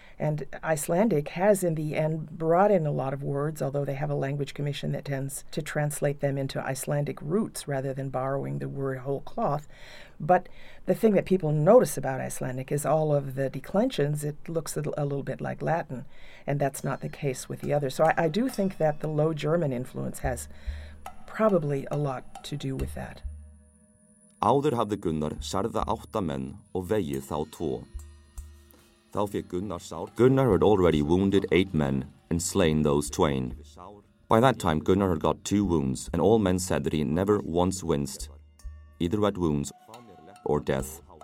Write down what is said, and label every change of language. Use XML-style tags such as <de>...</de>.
<en>And Icelandic has, in the end, brought in a lot of words, although they have a language commission that tends to translate them into Icelandic roots rather than borrowing the word whole cloth. But the thing that people notice about Icelandic is all of the declensions. It looks a little bit like Latin, and that's not the case with the other. So I do think that the Low German influence has probably a lot to do with that.</en> <is>Áður hafði Gunnar særða átta menn og vegið þá tvo.</is> <en>Gunnar had already wounded 8 men and slain those twain. By that time, Gunnar had got 2 wounds, and all men said that he never once winced, either at wounds or death.</en>